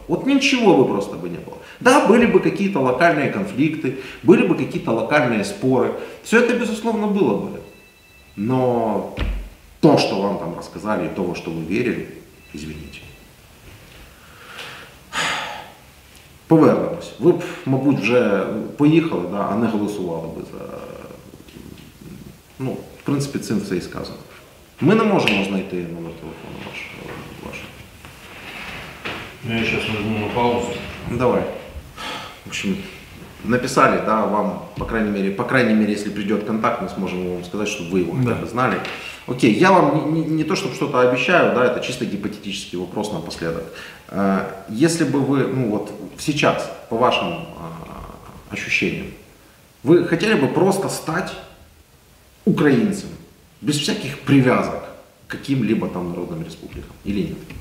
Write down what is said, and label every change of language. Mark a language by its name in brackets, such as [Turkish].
[Russian] Вот ничего бы просто бы не было. Да, были бы какие-то локальные конфликты, были бы какие-то локальные споры. Все это, безусловно, было бы. Но... То, что вам там рассказали, и то, во что вы верили, извините. Повернулись. [Ukrainian] Вы б, мабуть, вже поїхали, да, а не голосували би за... Ну, в принципі, цим все і сказано. Ми не можемо знайти номер телефону вашого. Я зараз візьму на паузу. [Russian] Давай. В общем, написали, да, вам, по крайней мере, если придет контакт, мы сможем вам сказать, чтобы вы его хотя бы знали. Окей, я вам не то, чтобы что-то обещаю, да, это чисто гипотетический вопрос напоследок. Если бы вы, ну вот сейчас, по вашим ощущениям, вы хотели бы просто стать украинцем, без всяких привязок к каким-либо там народным республикам, или нет?